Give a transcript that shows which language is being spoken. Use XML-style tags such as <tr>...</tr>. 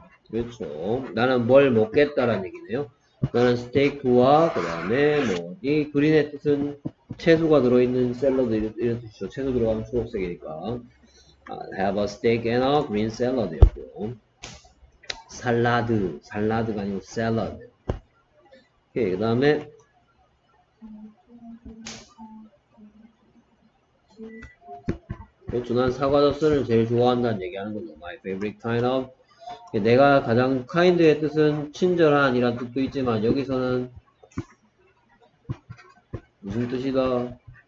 <ko>그렇죠. 나는 뭘 먹겠다라는 얘기네요. 나는 스테이크와, 그 다음에 뭐, 이 그린의 뜻은 채소가 들어있는 샐러드, 이런 뜻이죠. 채소 들어가면 초록색이니까.</ko> <en>I have a steak and a green salad.</en> <ko>샐러드. 샐러드가 아니고 샐러드. 오케이, 그 다음에. 그렇죠. 난 사과젓을 제일 좋아한다는 얘기하는 거죠.</ko> <en>My favorite kind of.</en> <ko>내가 가장 kind의 뜻은 친절한 이란 뜻도 있지만, 여기서는 무슨 뜻이다?</ko>